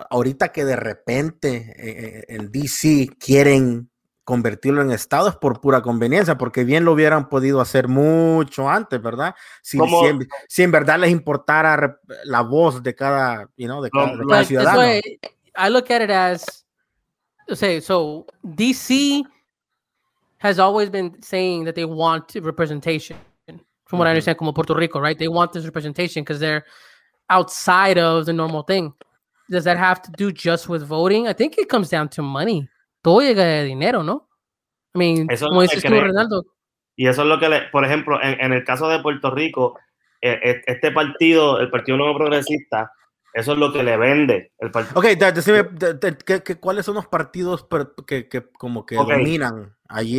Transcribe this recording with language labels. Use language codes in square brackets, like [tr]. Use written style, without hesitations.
[es] Ahorita que de repente en DC quieren convertirlo en estado es por pura conveniencia, porque bien lo hubieran podido hacer mucho antes, ¿verdad? Si en verdad les importara la voz de cada, [en] you know, [es] de cada ciudadano. [en] I look at it as, say, so DC has always been saying that they want representation, from what I understand, [es] como Puerto Rico, [en] right? They want this representation because they're outside of the normal thing. Does that have to do just with voting? I think it comes down to money. [es] Todo llega de dinero, ¿no? [en] I mean, [es] eso como dices tú, Renaldo. Y eso es lo que, por ejemplo, en el caso de Puerto Rico, este partido, el Partido Nuevo Progresista, eso es lo que le vende el partido. Ok, decime, ¿cuáles son los partidos que dominan allí?